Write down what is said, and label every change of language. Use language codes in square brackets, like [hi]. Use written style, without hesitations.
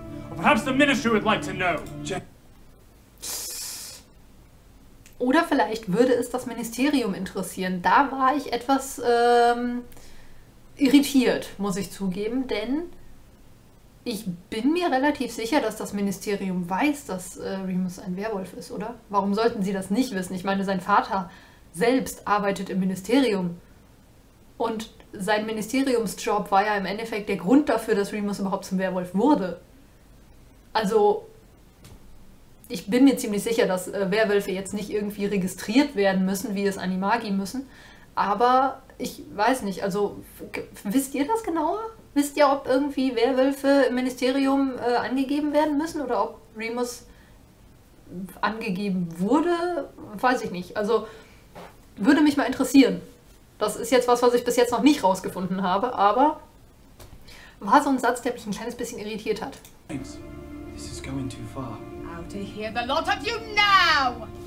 [en] Or perhaps the ministry would like to know. [de] Oder vielleicht würde es das Ministerium interessieren. Da war ich etwas irritiert, muss ich zugeben, denn ich bin mir relativ sicher, dass das Ministerium weiß, dass Remus ein Werwolf ist, oder? Warum sollten sie das nicht wissen? Ich meine, sein Vater selbst arbeitet im Ministerium. Und sein Ministeriumsjob war ja im Endeffekt der Grund dafür, dass Remus überhaupt zum Werwolf wurde. Also, ich bin mir ziemlich sicher, dass Werwölfe jetzt nicht irgendwie registriert werden müssen, wie es Animagi müssen. Aber ich weiß nicht, also wisst ihr das genauer? Wisst ihr, ob irgendwie Werwölfe im Ministerium angegeben werden müssen oder ob Remus angegeben wurde? Weiß ich nicht. Also, würde mich mal interessieren. Das ist jetzt was ich bis jetzt noch nicht rausgefunden habe, aber war so ein Satz, der mich ein kleines bisschen irritiert hat. [en] This is going too far. How to hear the lot of you now!